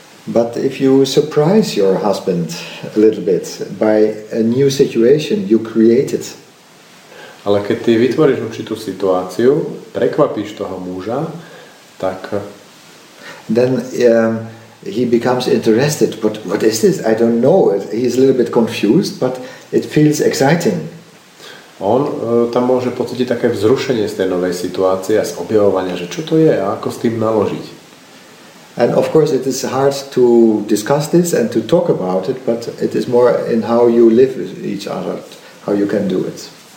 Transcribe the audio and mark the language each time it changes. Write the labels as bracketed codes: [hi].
[en] But if you surprise your husband a little bit by a new situation you created. [sk] Ale keď ty vytvoríš určitú situáciu, prekvapíš toho muža, tak... [en] Then he becomes interested. But what is this? I don't know. He's a little bit confused, but it feels exciting. [sk] On tam môže pocítiť také vzrušenie z tej novej situácie a z objavovania, že čo to je a ako s tým naložiť. [en] And of course it is hard to discuss this and to talk about it, but it is more in how you live with each other, how you can do it.